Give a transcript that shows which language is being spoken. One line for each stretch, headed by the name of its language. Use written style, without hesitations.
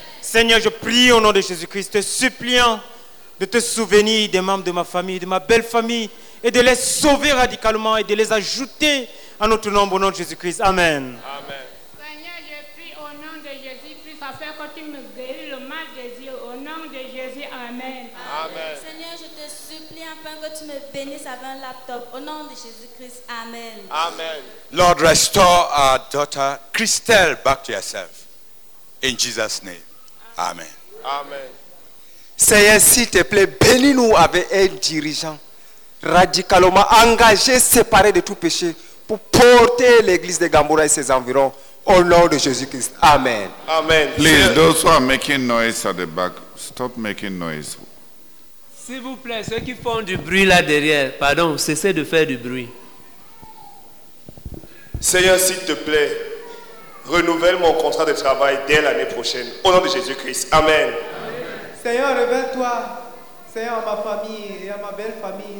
French: Seigneur, je prie au nom de Jésus-Christ, te suppliant de te souvenir des membres de ma famille, de ma belle famille, et de les sauver radicalement et de les ajouter à notre nombre au nom de Jésus-Christ. Amen. Amen. Seigneur, je prie au nom de Jésus-Christ, afin que tu me guéris le mal des yeux. Au nom de Jésus, amen. Amen. Amen. Seigneur, je te supplie, afin que tu me bénisses avec un laptop. Au nom de Jésus-Christ, amen. Amen.
English: Lord, restore our daughter Christelle back to yourself. In Jesus' name. Amen. Amen.
French: Seigneur, s'il te plaît, bénis-nous avec un dirigeant radicalement engagé, séparé de tout péché, pour porter l'église de Gamboura et ses environs au nom de Jésus-Christ. Amen. Amen.
English: Please, those who are making noise at the back, stop making noise.
French: S'il vous plaît, ceux qui font du bruit là derrière, pardon, cessez de faire du bruit. Seigneur, s'il te plaît, renouvelle mon contrat de travail dès l'année prochaine. Au nom de Jésus-Christ. Amen. Seigneur, révèle-toi, Seigneur, à ma famille et à ma belle famille.